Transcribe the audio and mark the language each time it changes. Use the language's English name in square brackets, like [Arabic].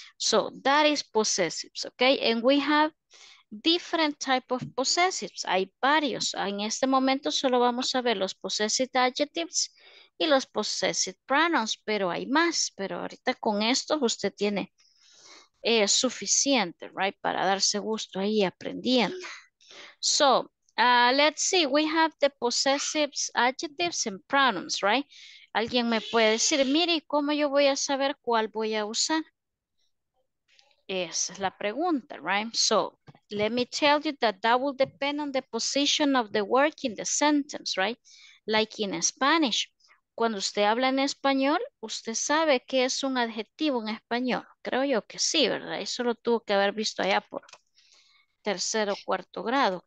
[English] So that is possessives, okay? And we have different type of possessives. [Spanish] Hay varios. En este momento solo vamos a ver los possessive adjectives y los possessive pronouns, pero hay más. Pero ahorita con esto usted tiene suficiente, right? Para darse gusto ahí aprendiendo. [English] So, let's see. We have the possessives, adjectives, and pronouns, right? [Spanish] Alguien me puede decir, mire, ¿cómo yo voy a saber cuál voy a usar? Esa es la pregunta, right? [English] So, let me tell you that that will depend on the position of the word in the sentence, right? Like in Spanish. [Spanish] Cuando usted habla en español, usted sabe qué es un adjetivo en español. Creo yo que sí, ¿verdad? Eso lo tuvo que haber visto allá por tercero o cuarto grado.